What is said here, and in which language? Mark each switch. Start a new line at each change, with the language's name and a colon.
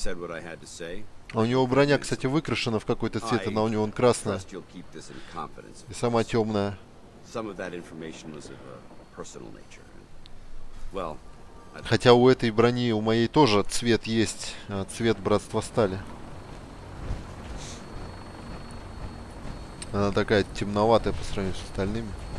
Russian: А у него броня, кстати, выкрашена в какой-то цвет, она у него красная. И сама темная.
English: Some of that information was of a personal nature.
Russian: Well, хотя у этой брони, у моей тоже цвет есть, цвет братства стали. Она такая темноватая по сравнению с остальными.